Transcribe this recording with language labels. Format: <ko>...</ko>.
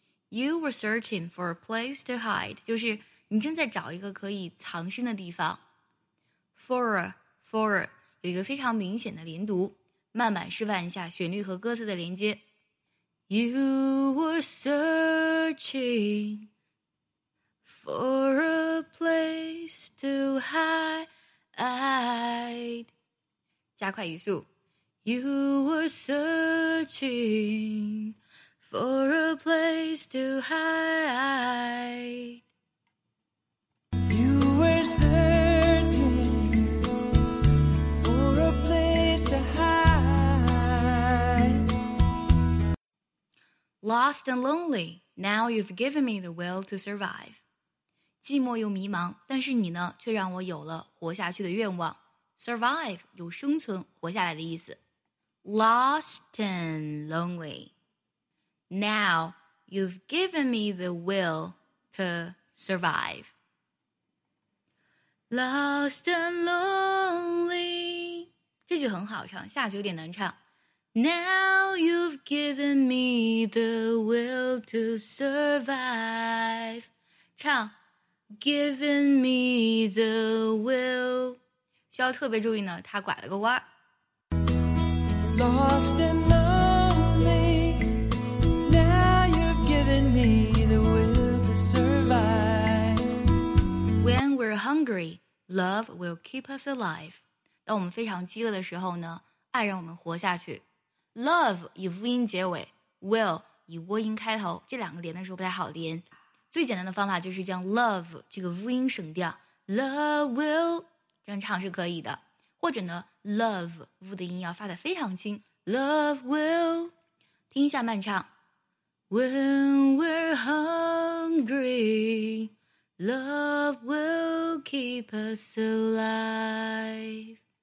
<en>You were searching for a place to hide.</en> <zh>就是你正在找一个可以藏身的地方。</zh> <en>For a,</en> <zh>有一个非常明显的连读。慢慢示范一下旋律和歌词的连接。</zh> <en>You were searching for a place to hide.</en> <zh>加快语速。</zh> <en>You were searching for a place to hide. Lost and lonely, now you've given me the will to survive.</en> <zh>寂寞又迷茫，但是你呢，却让我有了活下去的愿望。 Survive 有生存、活下来的意思。</zh> <en>Lost and lonely, now you've given me the will to survive. Lost and lonely.</en> <zh>这句很好唱，下句有点难唱。</zh> <en>Now you've given me the will to survive.</en> <zh>唱。</zh> <en>Given me the will.</en> <zh>需要特别注意呢，它拐了个弯。</zh> <en>Lost and lonely. Now you've given me the will to survive. When we're hungry, love will keep us alive.</en> <zh>当我们非常饥饿的时候呢，爱让我们活下去。 Love 以复音结尾 ，will 以窝音开头，这两个连的时候不太好连。最简单的方法就是将 love 这个 V 音省掉 ，love will 这样唱是可以的。或者呢 ，love V 的音要发得非常轻 ，love will 听一下慢唱。</zh> <en>When we're hungry, love will keep us alive.</en>